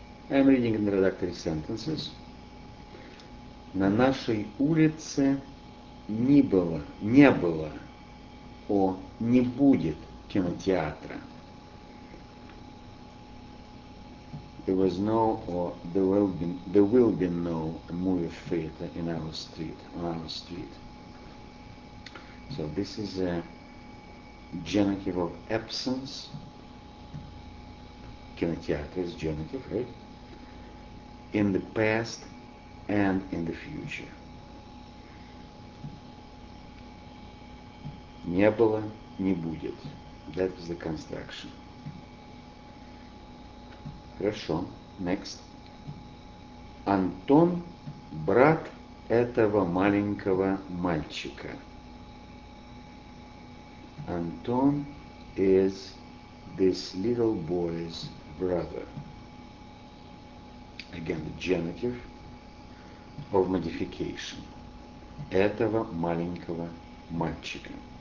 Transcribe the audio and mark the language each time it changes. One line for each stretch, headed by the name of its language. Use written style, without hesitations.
English: I am reading introductory sentences.
Russian: На нашей улице не будет кинотеатра.
English: There was no, or there will be no movie theater in our street, on our street. So this is a genitive of absence. Кинотеатр is genitive, right? In the past and in the future.
Russian: Не было, не будет.
English: That is the construction.
Russian: Хорошо,
English: next.
Russian: Антон – брат этого маленького мальчика.
English: Антон is this little boy's brother. Again, the genitive of modification.
Russian: Этого маленького мальчика.